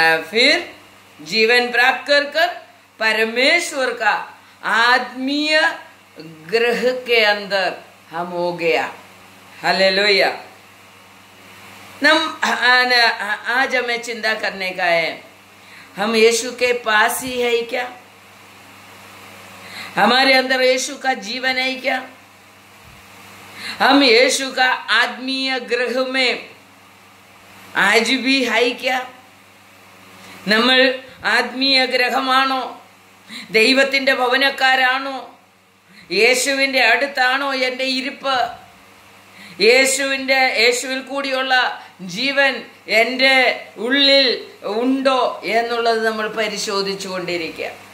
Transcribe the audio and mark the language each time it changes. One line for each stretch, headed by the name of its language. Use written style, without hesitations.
Hindi: फिर जीवन प्राप्त कर परमेश्वर का आत्मीय ग्रह के अंदर हम हो गया. हालेलुया. आज हमें चिंता करने का है, हम यीशु के पास ही है क्या? हमारे अंदर यीशु का जीवन है क्या? हम यीशु का आत्मीय ग्रह में ആജ് ബി ഹൈ ക്യാ?
Malayalam: നമ്മൾ ആത്മീയ ഗ്രഹമാണോ? ദൈവത്തിന്റെ ഭവനക്കാരാണോ? യേശുവിൻ്റെ അടുത്താണോ എൻ്റെ ഇരിപ്പ്? യേശുവിൽ കൂടിയുള്ള ജീവൻ എൻ്റെ ഉള്ളിൽ ഉണ്ടോ എന്നുള്ളത് നമ്മൾ പരിശോധിച്ചു കൊണ്ടിരിക്കുക.